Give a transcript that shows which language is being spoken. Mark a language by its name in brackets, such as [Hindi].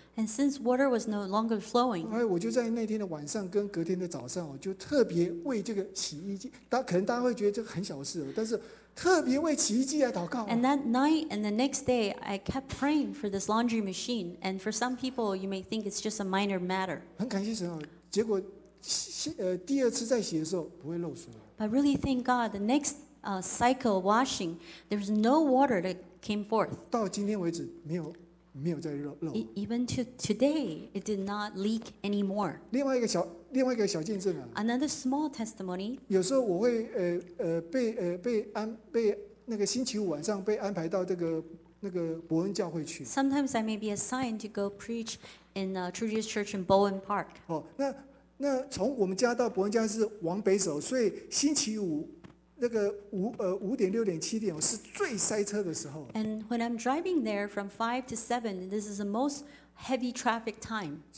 [English] ，And since water was no longer flowing， [Chinese] 我就在那天的晚上跟隔天的早上，我就特别为这个洗衣机，可能大家会觉得这很小事，但是特别为洗衣机来祷告。 [English] And that night and the next day, I kept praying for this laundry machine. And for some people, you may think it's just a minor matter. [Chinese] 很感谢神啊，结果第二次再洗的时候不会漏水了。 [English] But really, thank God, the next cycle washing, there was no water to came forth. [Chinese] 到今天为止没有再漏。 [English] Even to today, it did not leak anymore. [Chinese] 另外一个小见证啊。 [English] Another small testimony. [Chinese] 有时候我会被那个星期五晚上被安排到这个那个伯恩教会去。 [English] Sometimes I may be assigned to go preach in True Jesus Church in Bowen Park. [Chinese] 哦，那从我们家到伯恩家是往北走，所以星期五。那个五点六点七点是最塞车的时候。 [English] And when I'm driving there from 5 to 7, this is the most heavy traffic time.